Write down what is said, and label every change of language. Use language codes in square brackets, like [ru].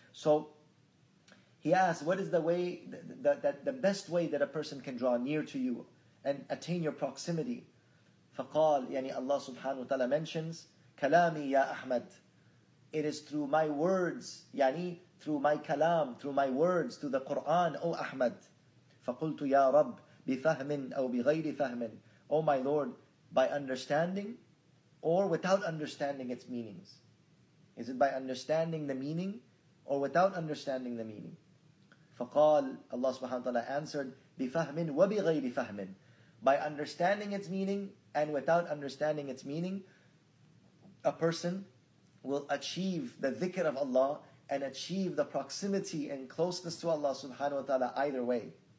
[en] So he asks, what is the way, the best way that a person can draw near to you and attain your proximity? [ar] فقال, [en] yani Allah subhanahu wa ta'ala mentions, [ar] كلامي يا أحمد. [en] It is through my words, yani through my kalam, through my words, through the Quran, O Ahmad. [ar] فقلت يا رب بفهم أو بغير فهم. [en] O my Lord, by understanding or without understanding its meanings. Is it by understanding the meaning or without understanding the meaning? [ar] فقال, [en] Allah subhanahu wa ta'ala answered, [ar] بفهم وبغير فهم. [en] By understanding its meaning and without understanding its meaning, a person will achieve the dhikr of Allah and achieve the proximity and closeness to Allah subhanahu wa ta'ala either way.